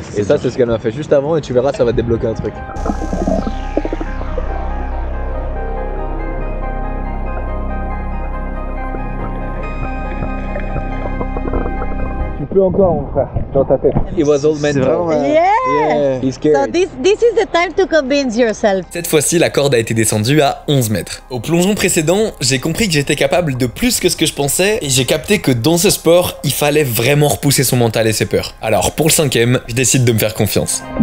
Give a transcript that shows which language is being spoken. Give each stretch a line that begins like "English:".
French: et ça, c'est ce qu'elle m'a fait juste avant. Et tu verras, ça va débloquer un truc. Tu peux encore, mon frère, dans ta tête.
English: It was all meant. Yeah. He's scared. So this is the time to convince yourself.
French: Cette fois-ci, la corde a été descendue à 11 mètres. Au plongeon précédent, j'ai compris que j'étais capable de plus que ce que je pensais et j'ai capté que dans ce sport, il fallait vraiment repousser son mental et ses peurs. Alors pour le cinquième, je décide de me faire confiance.